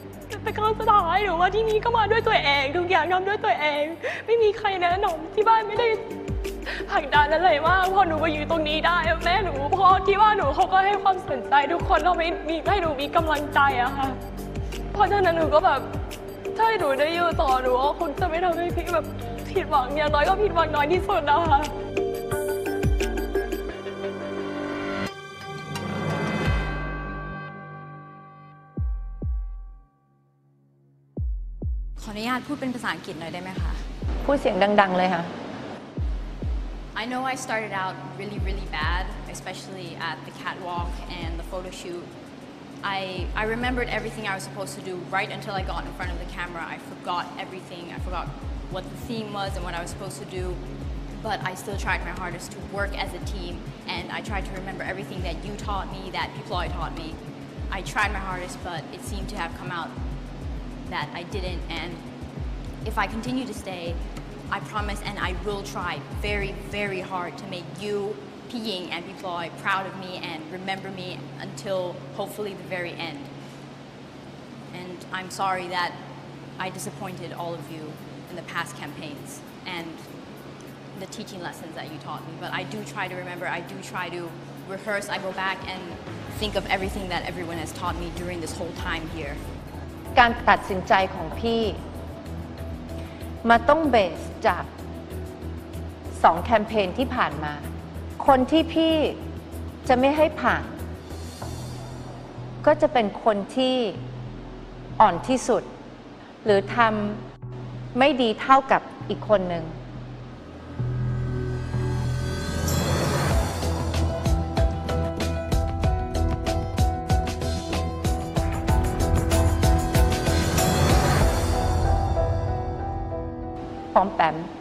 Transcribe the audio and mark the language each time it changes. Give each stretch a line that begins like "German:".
Thai: จะไปครั้งสุดท้ายหนูว่าที่นี่ก็มาด้วยตัวเองทุกอย่างทำด้วยตัวเองไม่มีใครแนะนำที่บ้านไม่ได้ผักดันอะไรมากพอหนูมาอยู่ตรงนี้ได้แม่หนูพ่อที่บ้านหนูเขาก็ให้ความสนใจทุกคนเราไม่มีให้หนูมีกำลังใจอะค่ะเพราะฉะนั้นหนูก็แบบถ้าหนูได้อยู่ต่อหนูคงจะไม่ทำให้พี่แบบผิดหวังอย่างน้อยก็ผิดหวังน้อยที่สุดนะคะ ขออนุญาตพูดเป็นภาษาอังกฤษหน่อยได้ไหมคะ พูดเสียงดังๆเลยค่ะ
English: I know I started out really really bad especially at the catwalk and the photo shoot I remembered everything I was supposed to do right until I got in front of the camera I forgot everything I forgot what the theme was and what I was supposed to do but I still tried my hardest to work as a team and I tried to remember everything that you taught me that Pploy taught me I tried my hardest but it seemed to have come outthat I didn't and if I continue to stay I promise and I will try very very hard to make you Pi Ying and Pi Ploy proud of me and remember me until hopefully the very end and I'm sorry that I disappointed all of you in the past campaigns and the teaching lessons that you taught me but I do try to remember I do try to rehearse I go back and think of everything that everyone has taught me during this whole time here
Thai: การตัดสินใจของพี่มาต้องเบสจาก2แคมเปญที่ผ่านมาคนที่พี่จะไม่ให้ผ่าน ก็จะเป็นคนที่อ่อนที่สุดหรือทำไม่ดีเท่ากับอีกคนหนึ่งปอมแปม